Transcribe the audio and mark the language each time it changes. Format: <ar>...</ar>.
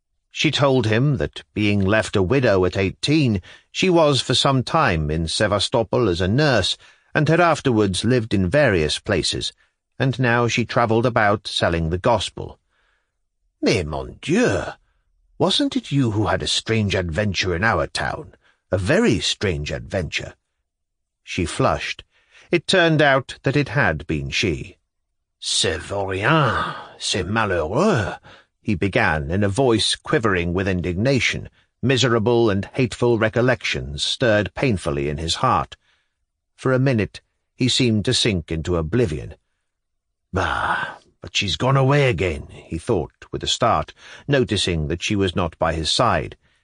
<en>She told him that, being left a widow at 18, she was for some time in Sevastopol as a nurse, and had afterwards lived in various places, and now she travelled about selling the gospel.</en> <fr>Mais mon Dieu!</fr> <en>Wasn't it you who had a strange adventure in our town? A very strange adventure. She flushed. It turned out that it had been she.</en> <fr>C'est vaurien, c'est malheureux,</fr> <en>he began in a voice quivering with indignation. Miserable and hateful recollections stirred painfully in his heart. For a minute he seemed to sink into oblivion. Bah! But she's gone away again, he thought with a start, noticing that she was not by his side.</en>